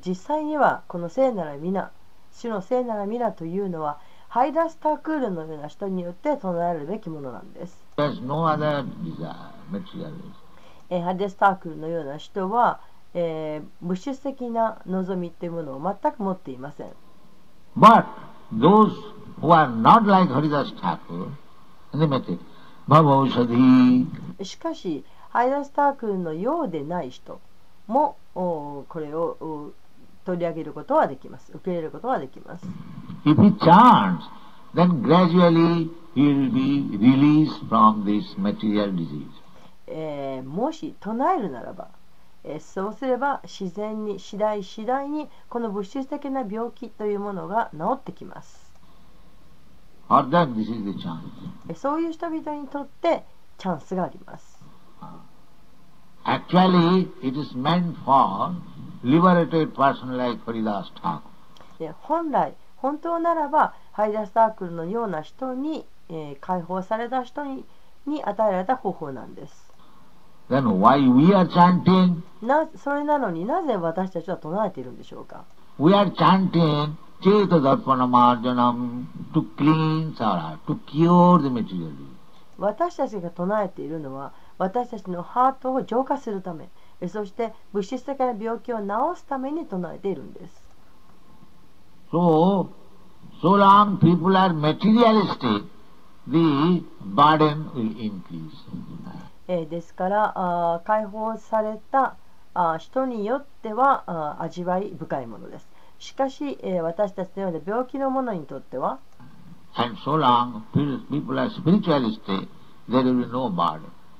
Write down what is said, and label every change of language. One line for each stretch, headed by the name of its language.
Japanese: 実際にはこの聖なる皆、主の聖なる皆というのはハイダスタークールのような人によって唱えるべきものなんです。
English: There's no other desire, materialism。
Japanese: ハデスタークルのような人は、物質的な望みというものを全く持っていません。
English: But those who are not like Haridas Thakur, animate, Baba Ushadhi.
Japanese: しかし、ハイダスタークルのようでない人もこれを取り上げることはできます。受け入れることはできます。
English: If he chants, then gradually he will be released from this material disease.
Japanese: もし唱えるならば、そうすれば自然に次第次第にこの物質的な病気というものが治ってきます。
English: For them, this is the chance.
Japanese: そういう人々にとってチャンスがあります。
English: Actually, it is meant for liberated person like Haridas Thakur.
Japanese: 本来本当ならばハリダスタークルのような人に、解放された人 に与えられた方法なんです。
English: Then why we are chanting?
Japanese: それなのになぜ私たちは唱えているんでしょうか。
English: We are chanting Cheta Darpana Marjanam to cleanse our heart, to cure the material.
Japanese: 私たちが唱えているのは私たちのハートを浄化するため、そして物質的な病気を治すために唱えているんです。
English: So long people are materialistic, the burden will increase.
Japanese: ですから解放された人によっては味わい深いものです。しかし私たちのような病気の者にとっては、
English: And so long people are spiritualist, there will be no burden.